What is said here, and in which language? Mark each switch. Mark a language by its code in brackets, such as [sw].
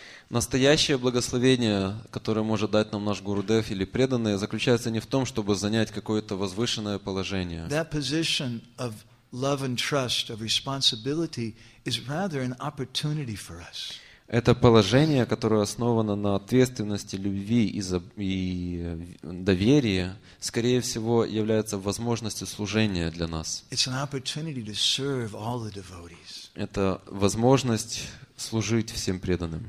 [ru] Настоящее благословение, которое может дать нам наш Гурудев или преданные, заключается не в том, чтобы занять какое-то возвышенное положение. [en] That position of love and trust, of responsibility, is rather an opportunity for us. [ru] Это положение, которое основано на ответственности, любви и доверии, скорее всего, является возможностью служения для нас. Это возможность служить всем преданным.